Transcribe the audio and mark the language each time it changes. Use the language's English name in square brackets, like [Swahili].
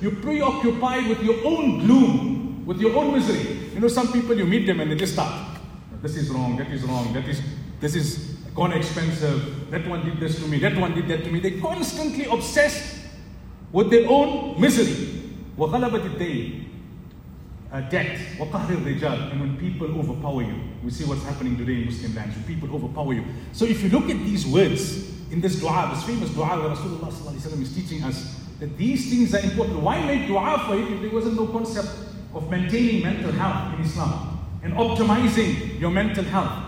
[English] You're preoccupied with your own gloom, with your own misery. You know, some people, you meet them and they just start. This is wrong, that is wrong, this is gone expensive, that one did this to me, that one did that to me. They're constantly obsessed with their own misery. [Arabic] وَغَلَبَتِ الدَّيْنِ debt, وَقَهْرِ الرِّجَالِ. [English] And when people overpower you, we see what's happening today in Muslim lands, when people overpower you. So if you look at these words, in this dua, this famous dua where Rasulullah sallallahu alaihi wasallam is teaching us that these things are important. Why make dua for it if there wasn't no concept of maintaining mental health in Islam and optimizing your mental health?